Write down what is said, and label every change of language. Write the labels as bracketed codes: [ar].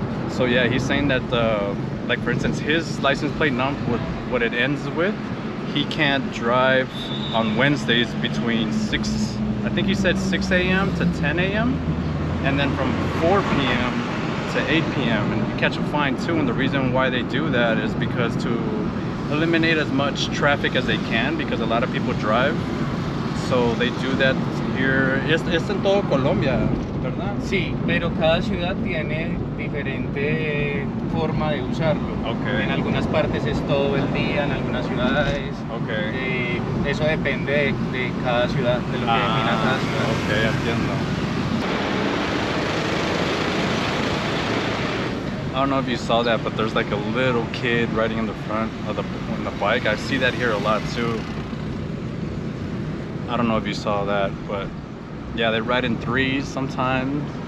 [en] So yeah, he's saying that like, for instance, his license plate number, what it ends with, he can't drive on Wednesdays between 6, I think he said 6 a.m. to 10 a.m. and then from 4 p.m. to 8 p.m. and you catch a fine too. And the reason why they do that is because to eliminate as much traffic as they can, because a lot of people drive. So they do that here. It's in [es] todo Colombia, ¿verdad? Sí, pero cada ciudad tiene diferente forma de usarlo. Okay. En algunas partes es todo el día, en algunas ciudades. Okay. Eso depende de cada ciudad, de lo que defina cada ciudad. Ok, entiendo. [en] I don't know if you saw that, but there's like a little kid riding in the front of the bike. I see that here a lot too. I don't know if you saw that, but yeah, they ride in threes sometimes.